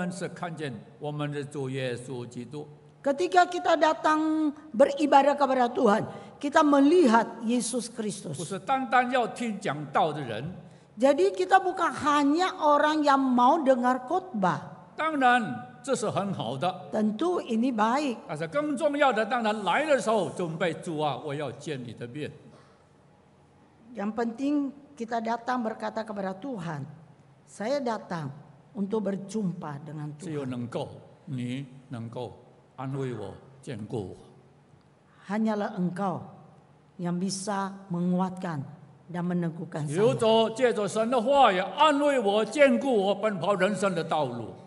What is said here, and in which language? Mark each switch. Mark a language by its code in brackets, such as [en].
[zh] 因为当我们来到聚会的时候，我们是看见我们的主耶稣基督。 [id] Ketika kita datang beribadah kepada Tuhan, kita melihat Yesus Kristus. [zh] 不是单单要听讲道的人。 [id] Jadi kita bukan hanya orang yang mau dengar khotbah. [zh] 当然，这是很好的。 [id] Tentu ini baik. [zh] 但是更重要的，当然来的时候准备主啊，我要见你的面。 [id] Yang penting kita datang berkata kepada Tuhan, saya datang untuk berjumpa dengan Tuhan. [zh] 只有能够，你能够安慰我，坚固我。 [id] Hanyalah Engkau yang bisa menguatkan dan meneguhkan saya. [zh] 由着借着神的话也安慰我，坚固我奔跑人生的道路。